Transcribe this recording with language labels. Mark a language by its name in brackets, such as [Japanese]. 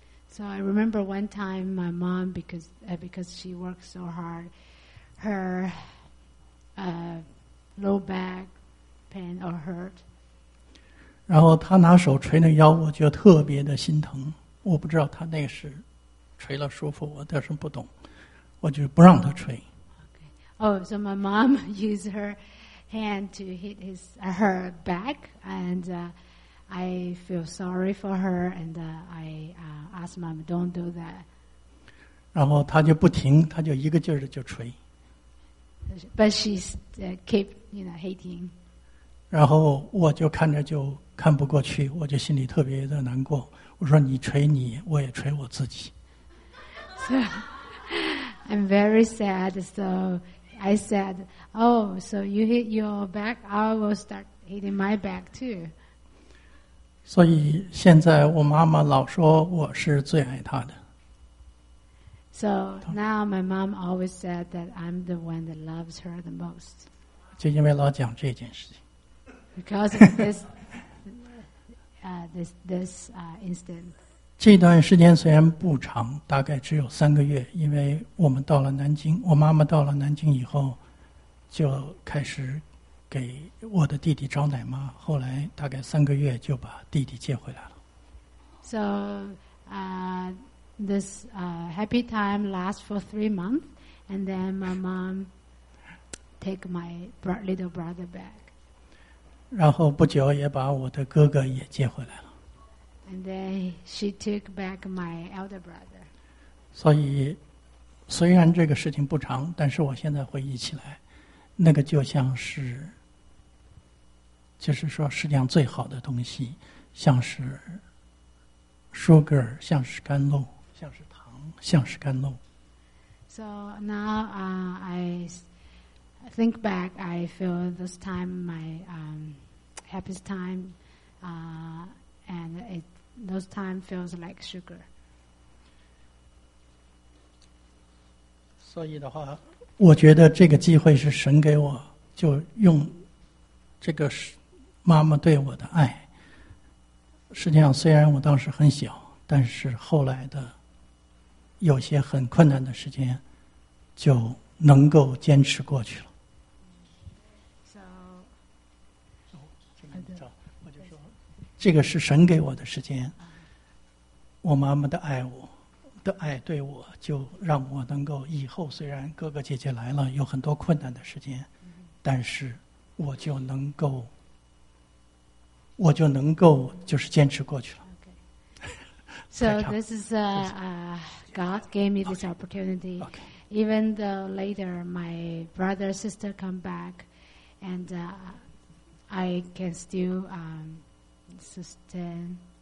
[English] So I remember one time my mom because she worked so hard, her low back pain or hurt. [Chinese] 然后她拿手捶那腰，我就特别的心疼。我不知道她那时。捶了舒服，我倒是不懂，我就不让他捶。 [English] Okay. Oh, so my mom used her hand to hit his her back, and I feel sorry for her, and I asked mom, "Don't do that." [Chinese] 然后他就不停，他就一个劲儿的就捶。 [English] But she keep, you know, hitting. [Chinese] 然后我就看着就看不过去，我就心里特别的难过。我说：“你捶你，我也捶我自己。” [English] So, I'm very sad. So I said, "Oh, so you hit your back? I will start hitting my back too." [Chinese] 所以现在我妈妈老说我是最爱她的。 [English] So now my mom always said that I'm the one that loves her the most. [Chinese] 就因为老讲这件事情。 [English] Because of this, this incident. [Chinese] 这段时间虽然不长，大概只有三个月，因为我们到了南京，我妈妈到了南京以后，就开始给我的弟弟找奶妈。后来大概三个月就把弟弟接回来了。 [English] So, this happy time lasts for 3 months, and then my mom take my little brother back. [Chinese] 然后不久也把我的哥哥也接回来了。 [English] And then she took back my elder brother. [Chinese] 所以虽然这个事情不长，但是我现在回忆起来，那个就像是，就是说世界上最好的东西，像是 sugar， 像是甘露，像是糖，像是甘露。 [English] So now I think back, I feel this time my happiest time, and it, those time feels like sugar. [Chinese] 所以的话，我觉得这个机会是神给我，就用这个妈妈对我的爱。实际上，虽然我当时很小，但是后来的有些很困难的时间。就能够坚持过去了。 [English] So, [Chinese] 我就说，这个是神给我的时间。我妈妈的爱我，的爱对我，就让我能够以后虽然哥哥姐姐来了，有很多困难的时间，但是我就能够，我就能够就是坚持过去了。 [English] Okay. So this is God gave me this opportunity. Okay. Even though later my brother and sister come back, and I can still sustain.